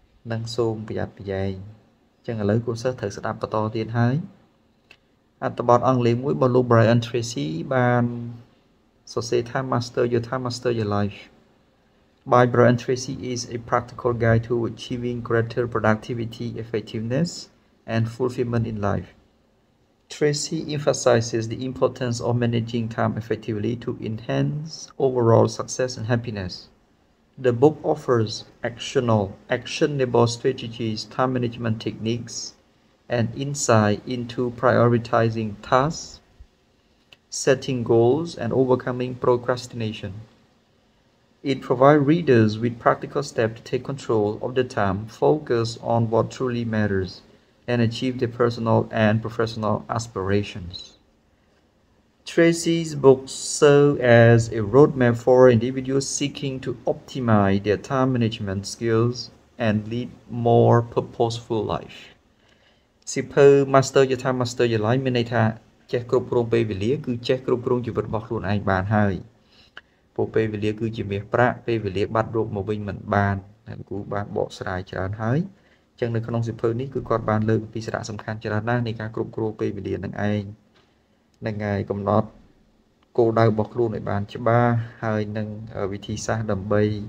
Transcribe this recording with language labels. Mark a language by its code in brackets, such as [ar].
[km] នឹងសូមប្រយ័ត្នប្រយែងចឹងឥឡូវគូសិស្សត្រូវស្ដាប់បន្តទៀតហើយអត្ថបទអង់គ្លេសមួយរបស់លោក Brian Tracy បានសរសេរថា [en] Master Your Time, Master Your Life By Brian Tracy is a practical guide to achieving greater productivity, effectiveness, and fulfillment in life. Tracy emphasizes the importance of managing time effectively to enhance overall success and happiness. The book offers actionable strategies, time management techniques, and insight into prioritizing tasks, setting goals, and overcoming procrastination. It provides readers with practical steps to take control of their time, focus on what truly matters, and achieve their personal and professional aspirations. Tracy's books serve as a roadmap for individuals seeking to optimize their time management skills and lead more purposeful life. [km] សៀវភៅ Master Your Time, Master Your Life មានន័យថាចេះគ្រប់គ្រងពេលវេលាគឺចេះគ្រប់គ្រងជីវិតរបស់ខ្លួនឯងបានហើយពពេលវេលាគឺជាមាសប្រាក់ពេលវេលាបាត់រោគមកវិញមិនបានអ្នកគូបានបកស្រាយច្រើនហើយអញ្ចឹងនៅក្នុងសៀវភៅនេះគឺគាត់បានលើកពីសារៈសំខាន់ច្រើនណាស់នៃការគ្រប់គ្រងពេលវេលានឹងឯងនឹងឯងកំណត់គោលដៅរបស់ខ្លួនឲ្យបានច្បាស់ហើយនឹងវិធីសាស្ត្រដើម្បី